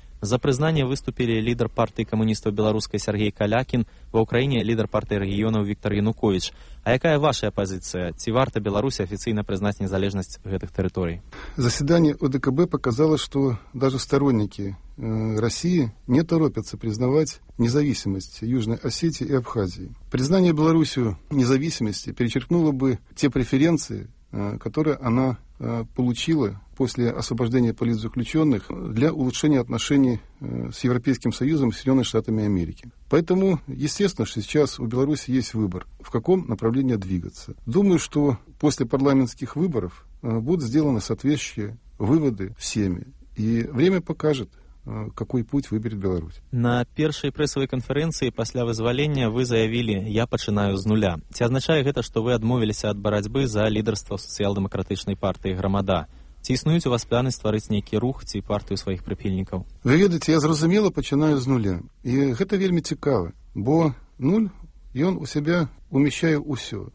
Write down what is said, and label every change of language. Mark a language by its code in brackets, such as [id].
[be] За прызнанне выступілі лідар партыі камуністаў беларускай Сергей Калякін, ва ўкраіне лідар партыі рэгіёнаў Віктар Януковіч. А якая ваша пазіцыя? Ці варта Беларусь афіцыйна прызнаць незалежнасць гэтых тэрыторый? Заседанне ОДКБ паказала, што даже староннікі Расіі не торопяцца прызнаваць незалежнасць Южнай Асеціі і Абхазіі. Прызнанне Беларусю незалежнасці [ru] перечеркнула бы те преференцыі, которые она получила после освобождения политзаключенных для улучшения отношений с Европейским Союзом и Соединенными Штатами Америки. Поэтому, естественно, что сейчас у Беларуси есть выбор, в каком направлении двигаться. Думаю, что после парламентских выборов будут сделаны соответствующие выводы всеми, и время покажет, какой путь выберет Беларусь. [be] На першай прэсавай канферэнцыі пасля вызвалення вы заявілі: «Я пачынаю з нуля». Ці азначае гэта, што вы адмовіліся ад барацьбы за лідарства сацыял-дэмакратычнай партыі «Грамада»? Ці існуюць у вас планы стварыць нейкі рух ці партыю сваіх прыхільнікаў? Вы ведаеце, я зразумела пачынаю з нуля. І гэта вельмі цікава, бо нуль, ён у сябе умещае ўсё.